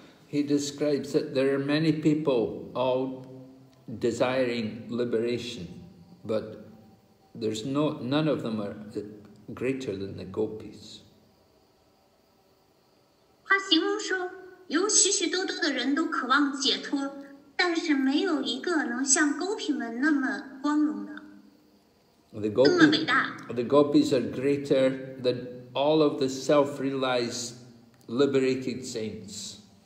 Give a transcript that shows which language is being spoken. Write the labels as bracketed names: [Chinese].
[English] He describes that there are many people all desiring liberation, but there's none of them are greater than the gopis. [Chinese] 他形容说, 有许许多多的人都渴望解脱, 但是没有一个能像勾皮们那么光荣的，那么伟大。 [English] The gopis are greater than all of the self-realized liberated saints.